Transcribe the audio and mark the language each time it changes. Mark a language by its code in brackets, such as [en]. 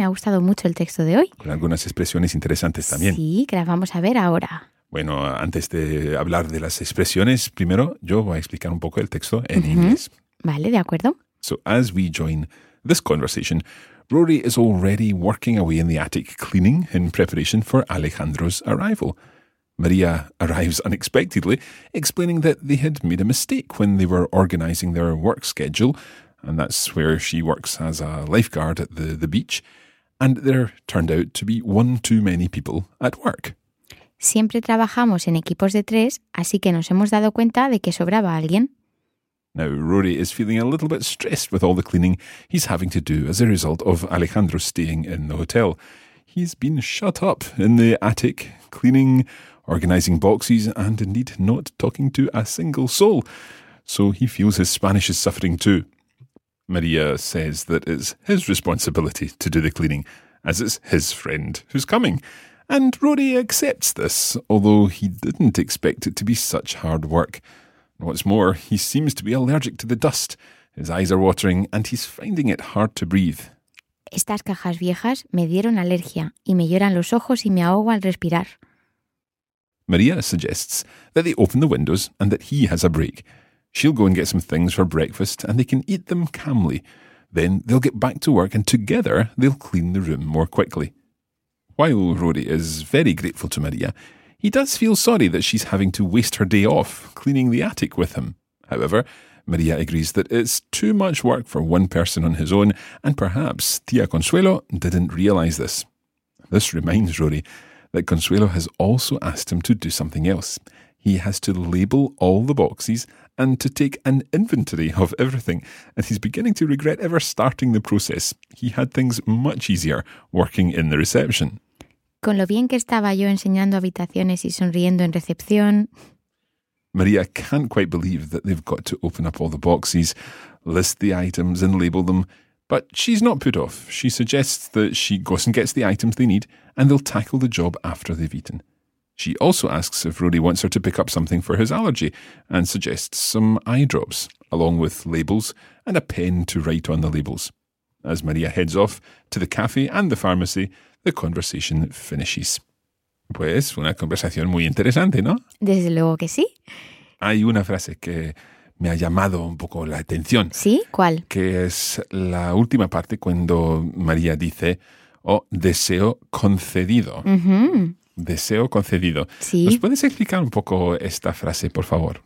[es] Me ha gustado mucho el texto de hoy. Con algunas expresiones interesantes también. Sí, que las vamos a ver ahora. Bueno, antes de hablar de las expresiones, primero yo voy a explicar un poco el texto en inglés. Vale, de acuerdo. [en] So, as we join this conversation, Rory is already working away in the attic cleaning in preparation for Alejandro's arrival. Maria arrives unexpectedly, explaining that they had made a mistake when they were organizing their work schedule, and that's where she works as a lifeguard at the beach, and there turned out to be one too many people at work. [es] Siempre trabajamos en equipos de tres, así que nos hemos dado cuenta de que sobraba alguien. [en] Now, Rory is feeling a little bit stressed with all the cleaning he's having to do as a result of Alejandro staying in the hotel. He's been shut up in the attic, cleaning, organizing boxes, and indeed not talking to a single soul. So he feels his Spanish is suffering too. Maria says that it's his responsibility to do the cleaning, as it's his friend who's coming. And Rory accepts this, although he didn't expect it to be such hard work. What's more, he seems to be allergic to the dust. His eyes are watering, and he's finding it hard to breathe. [es] Estas cajas viejas me dieron alergia, y me lloran los ojos y me ahogo al respirar. [en] Maria suggests that they open the windows and that he has a break. She'll go and get some things for breakfast and they can eat them calmly. Then they'll get back to work and together they'll clean the room more quickly. While Rory is very grateful to Maria, He does feel sorry that she's having to waste her day off cleaning the attic with him. However, Maria agrees that it's too much work for one person on his own, and perhaps Tia Consuelo didn't realise this. This reminds Rory that Consuelo has also asked him to do something else. He has to label all the boxes and to take an inventory of everything, and he's beginning to regret ever starting the process. He had things much easier working in the reception. [es] Con lo bien que estaba yo enseñando habitaciones y sonriendo en recepción. [en] Maria can't quite believe that they've got to open up all the boxes, list the items and label them, but she's not put off. She suggests that she goes and gets the items they need and they'll tackle the job after they've eaten. She also asks if Rory wants her to pick up something for his allergy and suggests some eye drops, along with labels and a pen to write on the labels. As Maria heads off to the cafe and the pharmacy, the conversation finishes. [es] Pues, una conversación muy interesante, ¿no? Desde luego que sí. Hay una frase que me ha llamado un poco la atención. ¿Sí? ¿Cuál? Que es la última parte cuando María dice, oh, deseo concedido. Uh-huh. Deseo concedido. ¿Sí? ¿Nos puedes explicar un poco esta frase, por favor?